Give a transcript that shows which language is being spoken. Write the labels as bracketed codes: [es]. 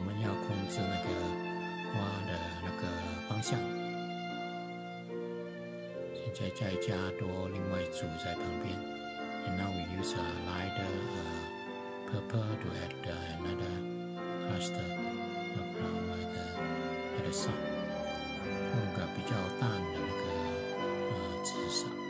[zh] 我们要控制那个花的那个方向。现在再加多另外一组在旁边。 [en] And now we use a lighter purple to add another cluster of flower at the sun. [zh] 用个比较淡的那个紫色。